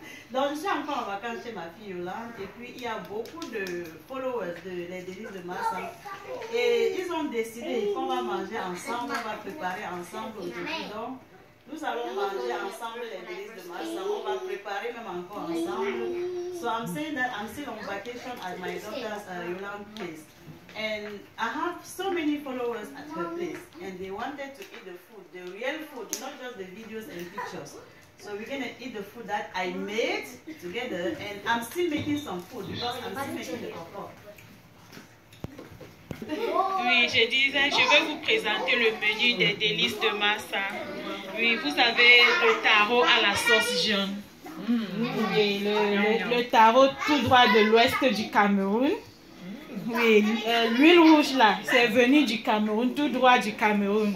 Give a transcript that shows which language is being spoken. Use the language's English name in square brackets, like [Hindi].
[French] Donc, je suis encore en vacances chez ma fille Yolande. Et puis, il y a beaucoup de followers de Les Délices de Massa. Et ils ont décidé qu'on va manger ensemble, on va préparer ensemble aujourd'hui. Donc, nous allons manger ensemble Les Délices de Massa. On va préparer même encore ensemble. [English] So, I'm saying that I'm still on vacation at my daughter's Yolande's place. And I have so many followers at her place, and they wanted to eat the food, the real food, not just the videos and pictures. So we're gonna eat the food that I made together, and I'm still making some food because I'm still making the compote. [French] Oui, je disais, je vais vous présenter le menu des délices de Massa. Oui, vous avez le taro à la sauce jaune. Le taro tout droit de l'ouest du Cameroun. Oui, l'huile rouge là, c'est venu du Cameroun, tout droit du Cameroun.